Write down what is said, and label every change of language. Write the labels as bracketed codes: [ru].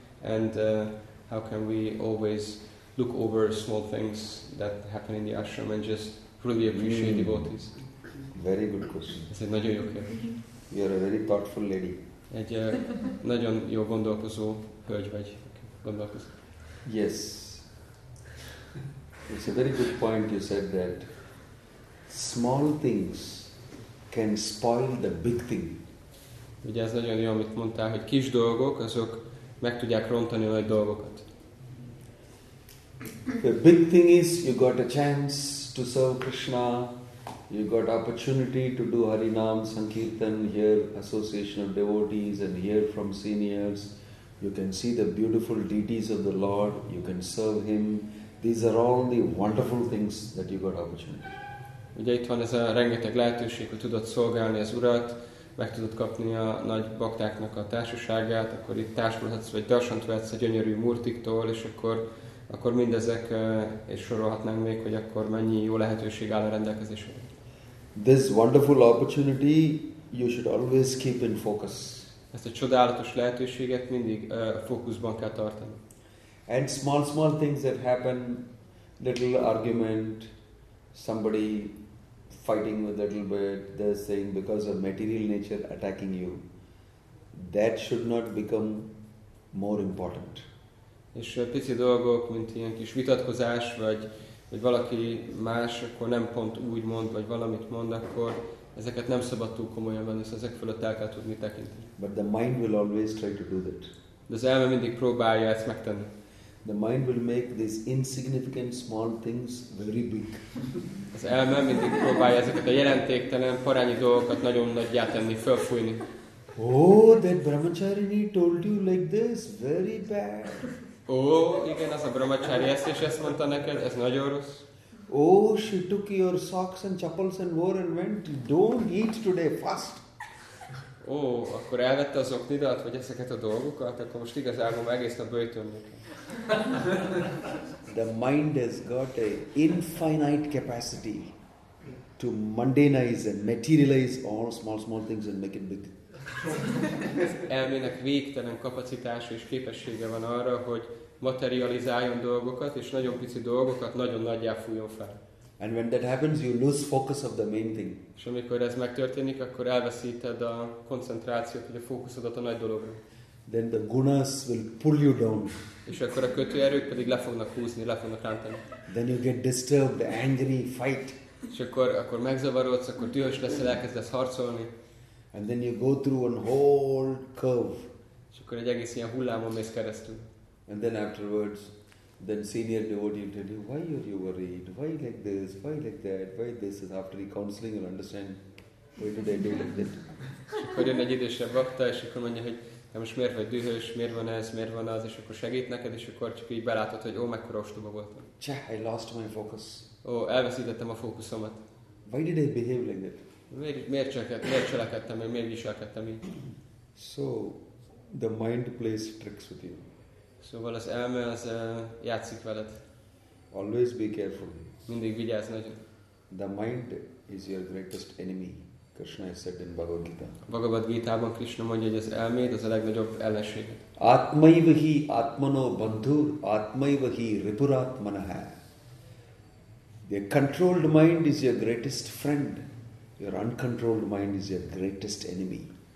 [en] And how can we always look over small things that happen in the ashram and just really appreciate devotees? Very good question. [hu] Ez egy nagyon jó kérdés. [en] You are a very thoughtful lady. [hu] Egy nagyon jó gondolkozó hölgy vagy. Gondolkozó. [en] Yes. It's a very good point you said that small things can spoil the big thing. [hu] Ugye ez nagyon jó, amit mondtál, hogy kis dolgok, azok meg tudják rontani a nagy dolgokat. [en] The big thing is you got a chance to serve Krishna, you got opportunity to do Harinam Sankirtan, hear association of devotees and hear from seniors. You can see the beautiful deities of the Lord, you can serve Him. These are all the wonderful things that you got opportunity. [hu] Ugye itt van ez a rengeteg lehetőség, hogy tudod szolgálni az Urat, meg tudod kapni a nagy baktáknak a társaságát, akkor itt társulhatsz, vagy darsant vehetsz a gyönyörű murtiktól, és akkor mindezek, és sorolhatnánk még, hogy akkor mennyi jó lehetőség áll a rendelkezésre. [en] This wonderful opportunity you should always keep in focus. [hu] Ezt a csodálatos lehetőséget mindig fókuszban kell tartani. [en] And small things that happen, little argument, somebody fighting with a little bit, they're saying because of material nature attacking you, that should not become more important. [hu] És pici dolgok, mint ilyen kis vitatkozás, vagy valaki más, akkor nem pont úgy mond, vagy valamit mond, akkor ezeket nem szabad túl komolyan venni, szóval ezek fölött el kell tudni tekinteni. [en] But the mind will always try to do that. [hu] De az elme mindig próbálja ezt megtenni. [en] The mind will make these insignificant small things very big. [hu] Az elme mindig próbálja ezeket a jelentéktelen, parányi dolgokat nagyon nagyjá tenni, fölfújni. [en] Oh, that brahmacharini told you like this, very bad. [hu] Oh, igen, az a brahmacsári ezt mondta neked, ez nagyon rossz. [en] Oh, she took your socks and chappals and wore and went, don't eat today, fast. [hu] Oh, akkor elvette az oknidat, vagy ezeket a dolgokat, akkor most igazából egész nap böjtölnek. [en] The mind has got an infinite capacity to mundanize and materialize all small things and make it big. [hu] Az elmének végtelen kapacitása és képessége van arra, hogy materializáljon dolgokat, és nagyon pici dolgokat nagyon nagyjá fújjon fel. [en] And when that happens, you lose focus of the main thing. [hu] És amikor ez megtörténik, akkor elveszíted a koncentrációt, vagy a fókuszodat a nagy dologra. [en] Then the gunas will pull you down. [hu] És akkor a kötőerők pedig le fognak húzni, le fognak rántani. [en] Then you get disturbed, angry, fight. [hu] És akkor megzavarodsz, akkor dühös leszel, elkezdesz harcolni. [en] And then you go through a whole curve. [hu] És akkor egy egész ilyen hullámon mész keresztül. [en] And then afterwards, then senior devotee will tell you, why are you worried? Why like this? Why like that? Why this? Is after counseling, you'll understand why did I do like that. [hu] És akkor jön egy idősebb vakta, és akkor mondja, hogy de most miért vagy dühös, miért van ez, miért van az, és akkor segít neked, és akkor csak így belátod, hogy ó, mekkora ostoba voltam. [en] Cseh, I lost my focus. [hu] Ó, elveszítettem a fókuszomat. [en] Why did I behave like that? [hu] Miért cselekedtem, meg miért viselkedtem így? [en] So, the mind plays tricks with you. [hu] Szóval az elme, az játszik veled. [en] Always be careful. [hu] Mindig vigyázz nagyon. [en] The mind is your greatest enemy, Krishna has said in Bhagavad Gita. [hu] Bhagavad Gita-ban Krishna mondja, hogy az elméd az a legnagyobb ellenséged. [sa] Atmaivahi atmano bandhur, atmaivahi ripuratmanah. [en] The controlled mind is your greatest friend. Your uncontrolled mind is your greatest enemy.